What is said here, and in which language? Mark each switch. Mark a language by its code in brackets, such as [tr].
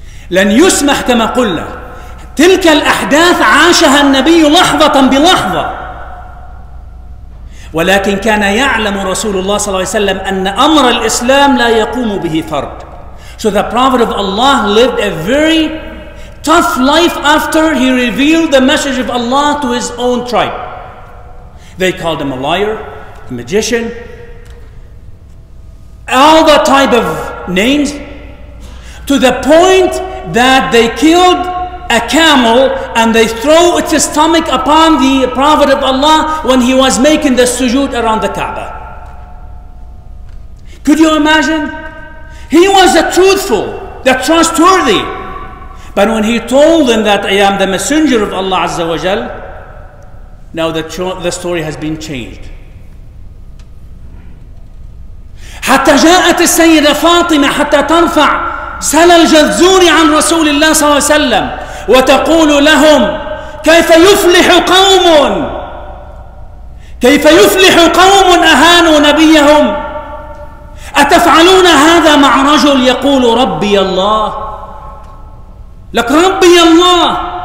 [ar] لن يسمح كما قلنا. تلك الأحداث عاشها النبي لحظة بلحظة، ولكن كان يعلم رسول الله صلى الله عليه وسلم أن أمر الإسلام لا يقوم به فرد. [en] So the Prophet of Allah lived a very tough life after he revealed the message of Allah to his own tribe. They called him a liar, a magician, all the type of names, to the point that they killed a camel and they throw its stomach upon the Prophet of Allah when he was making the sujood around the Kaaba. Could you imagine? He was the truthful, the trustworthy. But when he told them that I am the messenger of Allah Azza wa Jal, now the story has been changed. [ar] حتى جاءت السيدة فاطمة حتى ترفع سل الجذور عن رسول الله صلى الله عليه وسلم وتقول لهم كيف يفلح قوم كيف يفلح قوم أهانوا نبيهم أتفعلون هذا مع رجل يقول ربي الله لك ربي الله